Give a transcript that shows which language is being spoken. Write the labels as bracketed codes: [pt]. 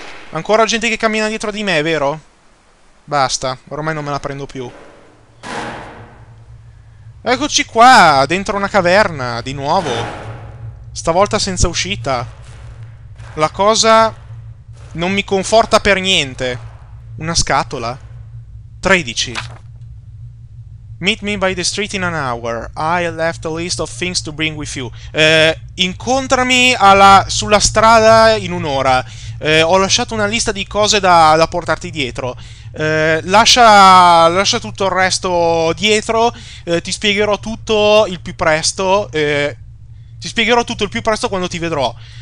[it] Ancora gente che cammina dietro di me, vero? Basta, ormai non me la prendo più. Eccoci qua, dentro una caverna, di nuovo. Stavolta senza uscita. La cosa non mi conforta per niente. Una scatola. 13. [en] Meet me by the street in an hour. I left a list of things to bring with you. [it] Incontrami sulla strada in un'ora. Ho lasciato una lista di cose da portarti dietro. Lascia tutto il resto dietro. Ti spiegherò tutto il più presto. Ti spiegherò tutto il più presto quando ti vedrò.